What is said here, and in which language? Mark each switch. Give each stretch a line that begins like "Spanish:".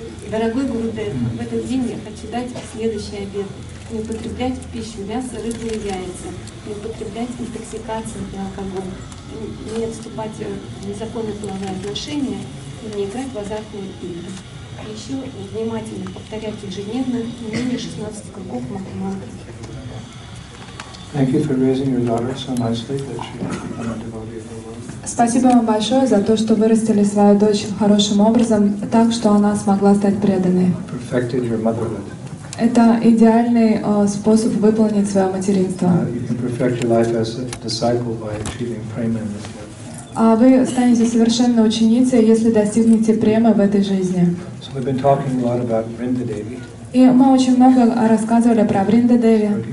Russian: Дорогой Гурудев, в этот день я хочу дать следующий обет. Не употреблять в пищу мясо, рыбу и яйца. Не употреблять интоксикацию и алкоголь. Не вступать в незаконные половые отношения и не играть в азартные игры.
English: Thank you for raising your daughter so nicely that she became a devotee of the Lord.
Russian: Спасибо вам большое за то, что вырастили свою дочь хорошим образом, так что она смогла стать преданной.
English: Perfected your motherhood.
Russian: Это идеальный способ выполнить свое материнство.
English: You can perfect your life as a disciple by achieving prema in this life.
Russian: А вы станете совершенной ученицей, если достигнете премы в этой жизни.
English: So we've been talking a lot about Vrindadevi.
Russian: И мы очень много рассказывали про Вриндадеви.